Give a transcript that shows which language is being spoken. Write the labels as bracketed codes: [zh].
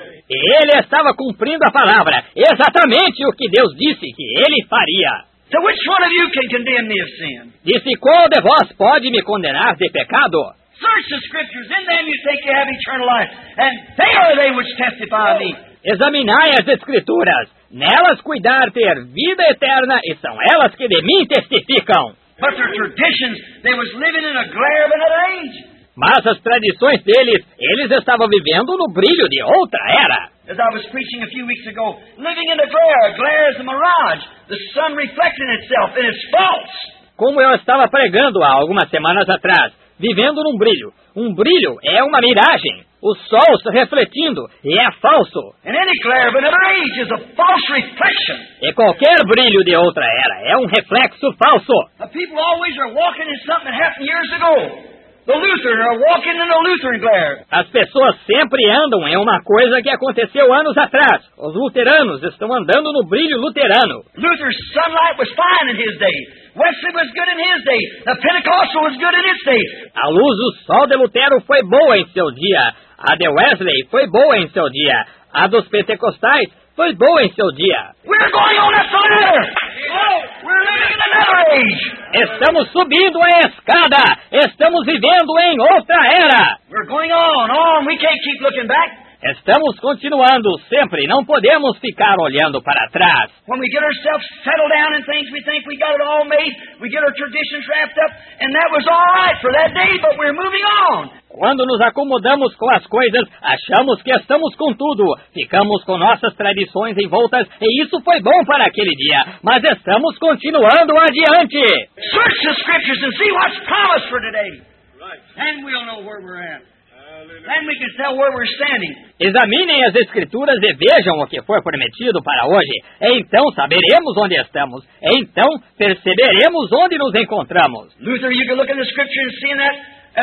[pt] Ele estava cumprindo a palavra, exatamente o que Deus disse que ele faria. [en] So which one of you can condemn me of sin? [pt] Disse, qual de vós pode me condenar de pecado? [en] Search the scriptures, in them you think you have eternal life, and they are they which testify of me. [pt] Examinai as Escrituras, nelas cuidar ter vida eterna, e são elas que de mim testificam. [en] But their traditions, they was living in a glare of another age. [pt] Mas as tradições deles, eles estavam vivendo no brilho de outra era. [en] As I was preaching a few weeks ago, living in a glare is a mirage, the sun reflecting itself, and it's false. [pt] Como eu estava pregando há algumas semanas atrás, vivendo num brilho. Um brilho é uma miragem. O sol está refletindo, e é falso. [en] And any glare of another age is a false reflection. [pt] E qualquer brilho de outra era é um reflexo falso. [en] The people always are walking in something that happened years ago. The Lutheran are walking in a Lutheran glare. [pt] As pessoas sempre andam em uma coisa que aconteceu anos atrás. Os luteranos estão andando no brilho luterano. [en] Luther's sunlight was fine in his day. Wesley was good in his day. The Pentecostal was good in his day. [pt] A luz do sol de Lutero foi boa em seu dia. A de Wesley foi boa em seu dia. A dos pentecostais foi boa em seu dia. [en] We're going on a ladder. We're living in another age. [pt] Estamos subindo a escada. Estamos vivendo em outra era. [en] We're going on. We can't keep looking back. [pt] Estamos continuando sempre. Não podemos ficar olhando para trás. [en] When we get ourselves settled down in things, we think we got it all made. We get our traditions wrapped up, and that was all right for that day, but we're moving on. [pt] Quando nos acomodamos com as coisas, achamos que estamos com tudo. Ficamos com nossas tradições envoltas, e isso foi bom para aquele dia. Mas estamos continuando adiante. [en] Search the scriptures and see what's promised for today. Right. And we'll know where we're at. Then we can tell where we're standing. [pt] Examinem as Escrituras e vejam o que foi prometido para hoje. Então saberemos onde estamos. Então perceberemos onde nos encontramos. [en] Luther, you can look in the scripture and see that.